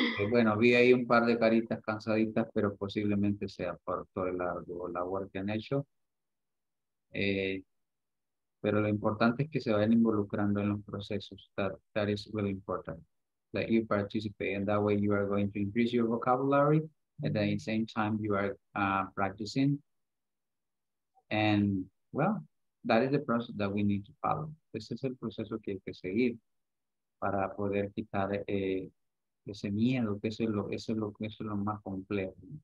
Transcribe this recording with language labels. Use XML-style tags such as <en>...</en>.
<es>Bueno, vi ahí un par de caritas cansaditas, pero posiblemente sea por todo el arduo labor que han hecho. Pero lo importante es que se vayan involucrando en los procesos.</es> <en>That is really important. That you participate, and that way you are going to increase your vocabulary, and at the same time you are practicing. And, well, that is the process that we need to follow.</en> <es>Ese es el proceso que hay que seguir para poder quitar ese miedo, que eso es lo más complejo.</es>